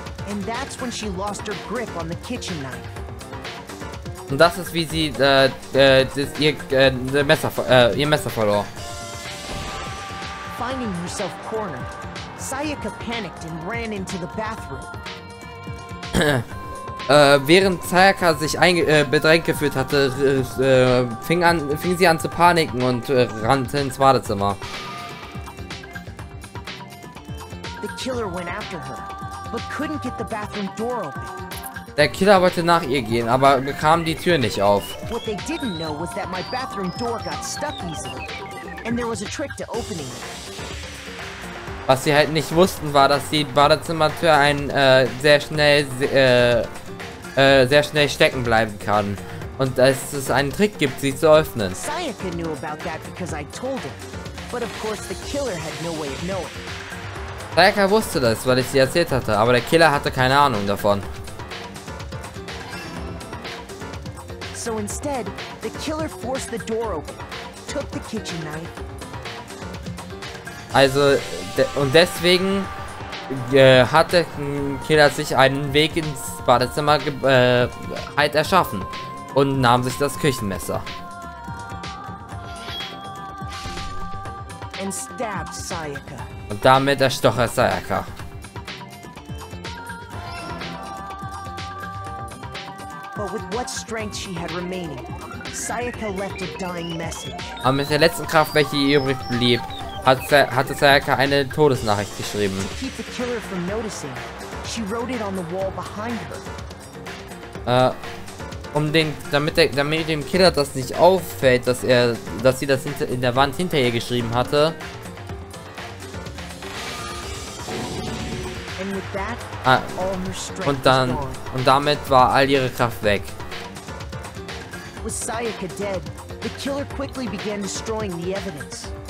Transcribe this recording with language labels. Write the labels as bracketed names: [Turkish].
[English] And that's when she lost her grip on the kitchen knife. [German] Und das ist, wie sie ihr Messer verlor. [English] Finding yourself cornered, Sayaka panicked and ran into the bathroom. [German] Während Sayaka sich bedrängt gefühlt hatte, fing sie an zu paniken und rannte ins Badezimmer. [English] The killer went after her, but couldn't get the bathroom door open. [German] Der Killer wollte nach ihr gehen, aber bekam die Tür nicht auf. [English] What they didn't know was that my bathroom door got stuck easily, and there was a trick to opening it. [German] Was sie halt nicht wussten, war, dass die Badezimmertür ein sehr schnell stecken bleiben kann und dass es einen Trick gibt, sie zu öffnen. [English] Sayaka knew about that because I told her, but of course the killer had no way of knowing. [German] Sayaka wusste das, weil ich sie erzählt hatte, aber der Killer hatte keine Ahnung davon. [English] So instead, the killer forced the door open, took the kitchen knife. [German] Also, und deswegen hat der Killer sich einen Weg ins Badezimmer halt erschaffen und nahm sich das Küchenmesser. [English] And stabbed Sayaka. [German] Und damit erstoch er Sayaka. [English] But with what strength she had remaining, Sayaka left a dying message. [German] Aber mit der letzten Kraft, welche ihr übrig blieb, hatte Sayaka eine Todesnachricht geschrieben. Damit dem Killer das nicht auffällt, dass sie das in der Wand hinter ihr geschrieben hatte. Und damit war all ihre Kraft weg. [English] With Sayaka dead, the killer quickly began destroying the evidence.